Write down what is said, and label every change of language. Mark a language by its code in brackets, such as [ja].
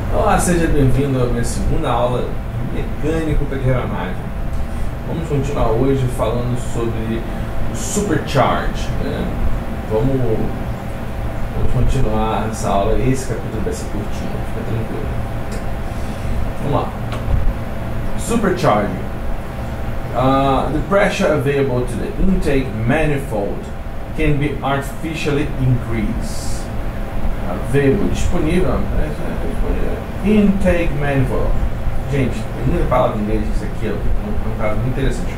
[pt] Olá, seja bem-vindo à minha segunda aula mecânico para aeronave. Vamos continuar hoje falando sobre o Supercharge, né? Vamos continuar essa aula, esse capítulo vai ser curtinho, fica tranquilo. Vamos lá. Supercharge. [en] The pressure available to the intake manifold can be artificially increased. Available, disponível, intake manifold. [pt] Gente, tem muita palavra em inglês isso aqui, é um caso muito interessante.